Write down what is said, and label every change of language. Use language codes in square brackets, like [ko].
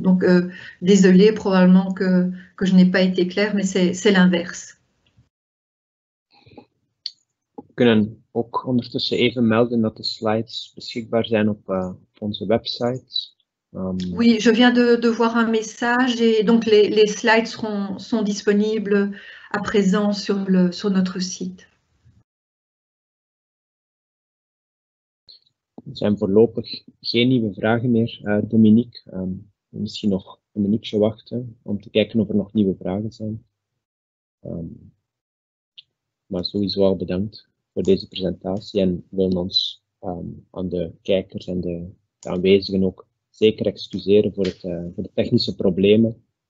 [fr] Donc, désolée, probablement que je n'ai pas été claire, mais c'est l'inverse. [nl] We kunnen ook ondertussen even melden dat de slides beschikbaar zijn op onze website. [fr] Oui, je viens de voir un message et donc les slides sont disponibles à présent sur notre site. [nl] Er zijn voorlopig geen nieuwe vragen meer, Dominique. Misschien nog een minuutje wachten om te kijken of er nog nieuwe vragen zijn. Maar sowieso al bedankt voor deze presentatie en willen ons aan de kijkers en de aanwezigen ook zeker excuseren voor de technische problemen.